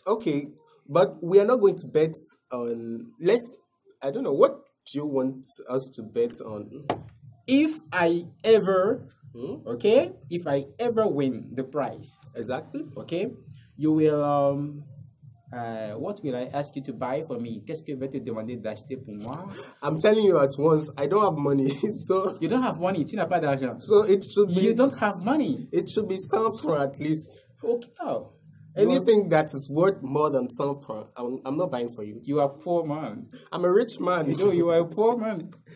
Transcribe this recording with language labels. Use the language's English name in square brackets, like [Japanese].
[English] Okay, but we are not going to bet on... I don't know, what do you want us to bet on? If I ever, okay, if I ever win the prize. Exactly. Okay, you will... what will I ask you to buy for me? [French] Qu'est-ce que je vais te demander d'acheter pour moi? [English] I'm telling you at once, I don't have money, so... You don't have money, [French] tu n'as pas d'argent. [English] So it should be... You don't have money. It should be something at least. Okay. Oh. Anything that is worth more than something, I'm not buying for you. You are a poor man. I'm a rich man. You know, you are a poor man.